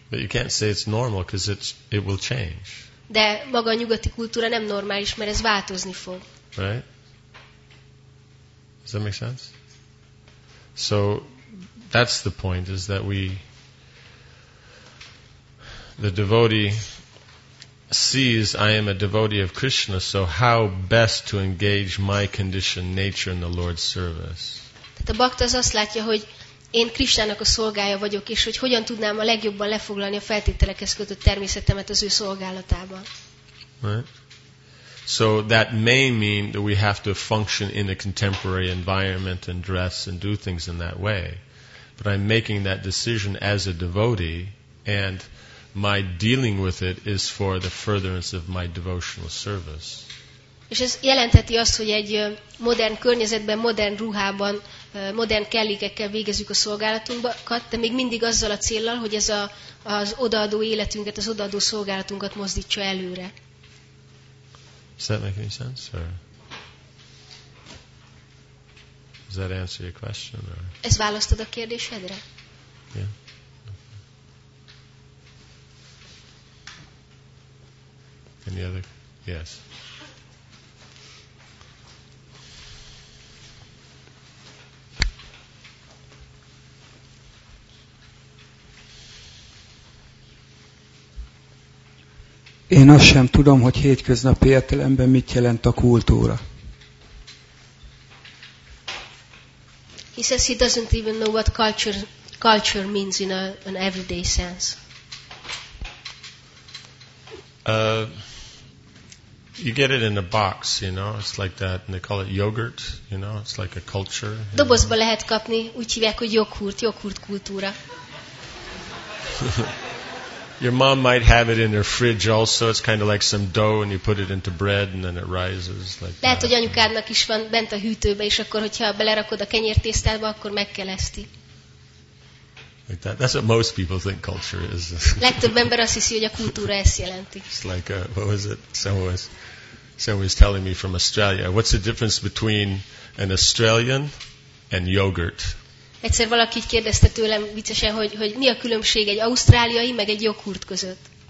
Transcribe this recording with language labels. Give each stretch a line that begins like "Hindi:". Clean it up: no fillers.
English: But you can't say it's normal, because it will change.
Hungarian: De maga a nyugati kultúra nem normális, mert ez változni fog.
English: Right? Does that make sense? So that's the point, is that the devotee sees I am a devotee of Krishna, so how best to engage my conditioned nature in the Lord's service.
Hungarian: Tehát a bhakta az azt látja, hogy én Krisztának a szolgája vagyok, és hogy hogyan tudnám a legjobban lefoglalni a feltételekhez kötött természetemet az ő szolgálatában.
English: Right? So that may mean that we have to function in a contemporary environment and dress and do things in that way. But I'm making that decision as a devotee, and my dealing with it is for the furtherance of my devotional service.
Hungarian: És ez jelentheti azt, hogy egy modern környezetben, modern ruhában, modern kellékekkel végezzük a szolgálatunkat, de még mindig azzal a céllal, hogy ez az odaadó életünket, az odaadó szolgálatunkat mozdítsa előre.
English: Does that make any sense? Or does that answer your question? Or?
Hungarian: Ez választod a kérdésedre?
English: Yeah. Okay. Any other? Yes.
Hungarian: Én azt sem tudom, hogy hétköznapi értelemben mit jelent a kultúra.
English: He says he doesn't even know what culture means in an everyday sense. You get it in a box, you know, it's like that, and they call it yogurt, you know, it's like a culture.
Hungarian: Dobozba lehet kapni, úgy hívják, hogy joghurt kultúra.
English: Your mom might have it in her fridge also. It's kind of like some dough, and you put it into bread, and then it rises like that.
Hungarian: Lehet, hogy anyukádnak is van bent a hűtőbe, és akkor, hogyha belerakod a kenyértésztába, akkor megkeleszti.
English: Like that. That's what most people think culture is.
Hungarian: Legtöbb ember azt hiszi, hogy a kultúra ezt jelenti.
English: It's like, what was it? Someone was telling me from Australia. What's the difference between an Australian and yogurt?
Hungarian: Egyszer valaki így kérdezte tőlem viccesen, hogy mi a különbség egy ausztráliai meg egy joghurt között.